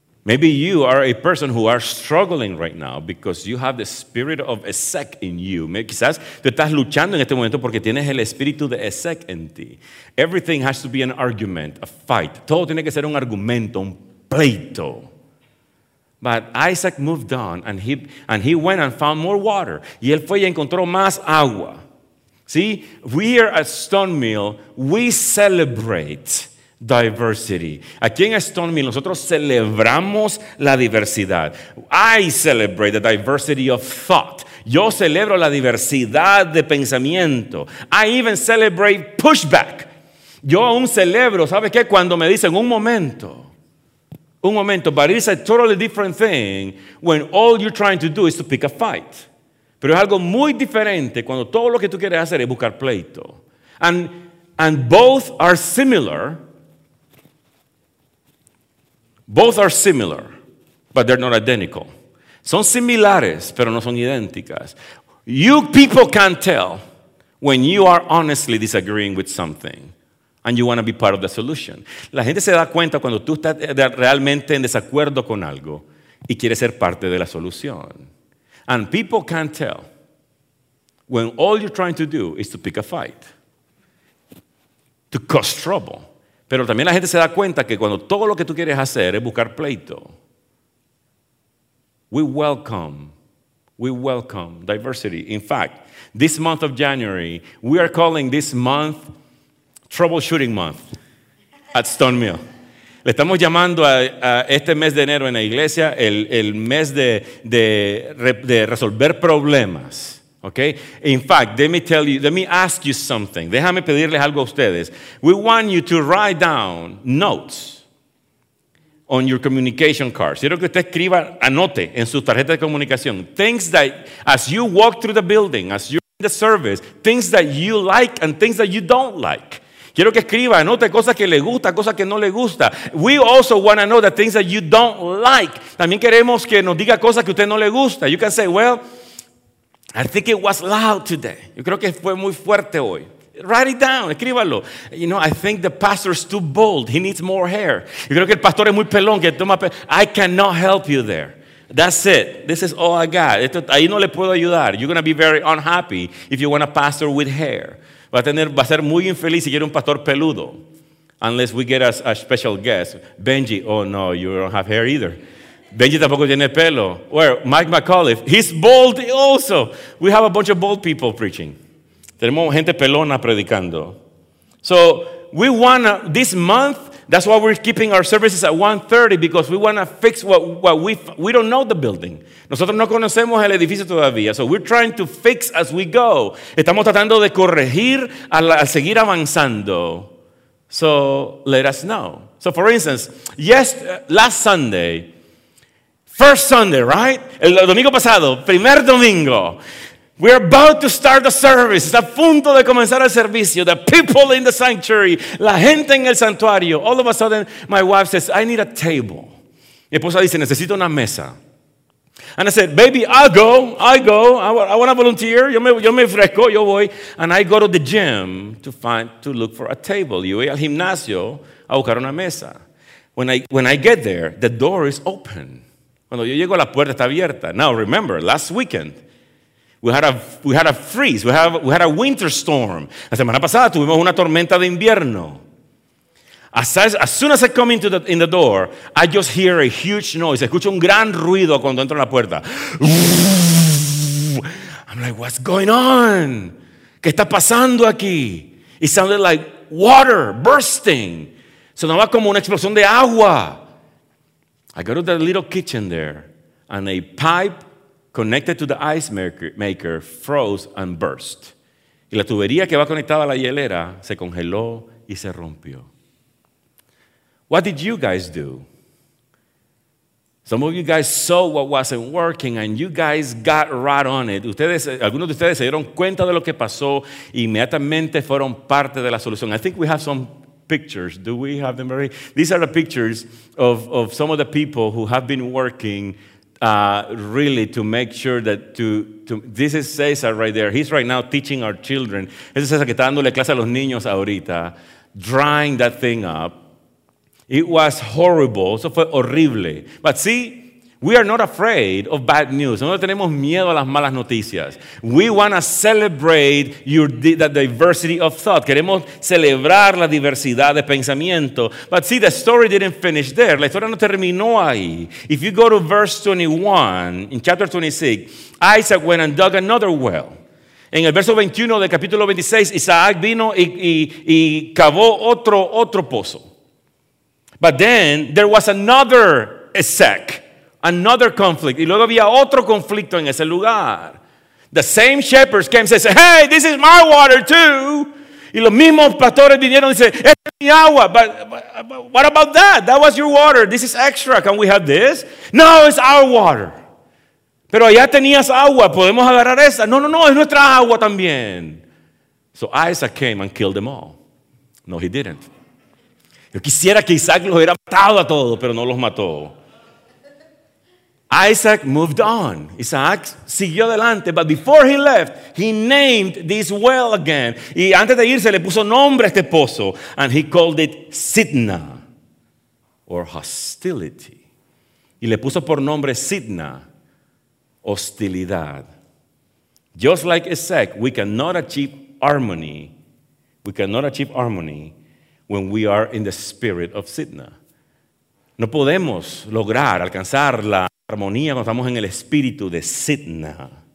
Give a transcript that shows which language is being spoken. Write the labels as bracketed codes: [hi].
[en] Maybe you are a person who are struggling right now because you have the spirit of Ezek in you. [es] Quizás tú estás luchando en este momento porque tienes el espíritu de Ezek en ti. [en] Everything has to be an argument, a fight. [es] Todo tiene que ser un argumento, un pleito. [en] But Isaac moved on and he went and found more water. [es] Y él fue y encontró más agua. [en] See, we here at Stone Mill, we celebrate diversity. [es] Aquí en Stone Mill, nosotros celebramos la diversidad. [en] I celebrate the diversity of thought. [es] Yo celebro la diversidad de pensamiento. [en] I even celebrate pushback. [es] Yo aún celebro, ¿sabes qué? Cuando me dicen un momento, [en] but it's a totally different thing when all you're trying to do is to pick a fight. [es] Pero es algo muy diferente cuando todo lo que tú quieres hacer es buscar pleito. [en] And both are similar. Both are similar, but they're not identical. [es] Son similares, pero no son idénticas. [en] You people can tell when you are honestly disagreeing with something and you want to be part of the solution. [es] La gente se da cuenta cuando tú estás realmente en desacuerdo con algo y quieres ser parte de la solución. [en] And people can tell when all you're trying to do is to pick a fight, to cause trouble. [es] Pero también la gente se da cuenta que cuando todo lo que tú quieres hacer es buscar pleito. [en] We welcome diversity. In fact, this month of January, we are calling this month Troubleshooting Month at Stone Mill. [es] Le estamos llamando a este mes de enero en la iglesia el mes de resolver problemas. [en] Okay? In fact, let me ask you something. [es] Déjame pedirles algo a ustedes. [en] We want you to write down notes on your communication cards. [es] Quiero que usted escriba, anote en su tarjeta de comunicación. [en] Things that, as you walk through the building, as you're in the service, things that you like and things that you don't like. [es] Quiero que escriba, anote cosas que le gusta, cosas que no le gusta. [en] We also want to know the things that you don't like. [es] También queremos que nos diga cosas que usted no le gusta. [en] You can say, well, I think it was loud today. [es] Yo creo que fue muy fuerte hoy. [en] Write it down, [es] escríbalo. [en] You know, I think the pastor is too bold. He needs more hair. [es] Yo creo que el pastor es muy pelón. Que toma [en] I cannot help you there. That's it. This is all I got. [es] Esto, ahí no le puedo ayudar. [en] You're going to be very unhappy if you want a pastor with hair. [es] Va a ser muy infeliz si quiere un pastor peludo. [en] Unless we get a special guest. Benji, oh no, you don't have hair either. [es] Benji tampoco tiene pelo. [en] Where? Mike McAuliffe, he's bald also. We have a bunch of bald people preaching. [es] Tenemos gente pelona predicando. [en] So we want to, this month, that's why we're keeping our services at 1:30, because we want to fix what we don't know the building. [es] Nosotros no conocemos el edificio todavía, [en] so we're trying to fix as we go. [es] Estamos tratando de corregir al seguir avanzando. [en] So let us know. So for instance, last Sunday, first Sunday, right? [es] El domingo pasado, primer domingo. [en] We're about to start the service. [es] Está a punto de comenzar el servicio. [en] The people in the sanctuary. [es] La gente en el santuario. [en] All of a sudden, my wife says, I need a table. [es] Mi esposa dice, necesito una mesa. [en] And I said, baby, I'll go. I want to volunteer. [es] Yo me fresco, yo voy. [en] And I go to the gym to look for a table. [es] Yo voy al gimnasio a buscar una mesa. [en] When I get there, the door is open. [es] Cuando yo llego, la puerta está abierta. [en] Now, remember, last weekend, we had a freeze. We had a winter storm. [es] La semana pasada tuvimos una tormenta de invierno. [en] As soon as I come in the door, I just hear a huge noise. [es] Escucho un gran ruido cuando entro en la puerta. [en] I'm like, what's going on? [es] ¿Qué está pasando aquí? [en] It sounded like water bursting. [es] Sonaba como una explosión de agua. [en] I go to the little kitchen there, and a pipe connected to the ice maker froze and burst. [es] Y la tubería que va conectada a la hielera se congeló y se rompió. [en] What did you guys do? Some of you guys saw what wasn't working and you guys got right on it. [es] Ustedes, algunos de ustedes se dieron cuenta de lo que pasó y inmediatamente fueron parte de la solución. [en] I think we have some pictures. Do we have them already? These are the pictures of some of the people who have been working really to make sure that to this is Cesar right there. He's right now teaching our children. [es] Ese es Cesar que está dándole clase a los niños ahorita, [en] drying that thing up. It was horrible. [es] Eso fue horrible. [en] But see, we are not afraid of bad news. [es] No tenemos miedo a las malas noticias. [en] We want to celebrate the diversity of thought. [es] Queremos celebrar la diversidad de pensamiento. [en] But see, the story didn't finish there. [es] La historia no terminó ahí. [en] If you go to verse 21, in chapter 26, Isaac went and dug another well. [es] En el verso 21 del capítulo 26, Isaac vino y cavó otro pozo. [en] But then there was another Esek, another conflict. [es] Y luego había otro conflicto en ese lugar. [en] The same shepherds came and said, hey, this is my water too. [es] Y los mismos pastores vinieron y dicen, esta es mi agua. [en] But what about that? That was your water. This is extra. Can we have this? No, it's our water. [es] Pero allá tenías agua. ¿Podemos agarrar esa? No, no, no. Es nuestra agua también. [en] So Isaac came and killed them all. No, he didn't. [es] Yo quisiera que Isaac los hubiera matado a todos, pero no los mató. [en] Isaac moved on. [es] Isaac siguió adelante, [en] but before he left, he named this well again. [es] Y antes de irse, le puso nombre a este pozo, [en] and he called it Sitna, or hostility. [es] Y le puso por nombre Sitna, hostilidad. [en] Just like Isaac, we cannot achieve harmony. We cannot achieve harmony when we are in the spirit of Sitna. [es] No podemos lograr alcanzar la armonía cuando estamos en el espíritu de Sitna.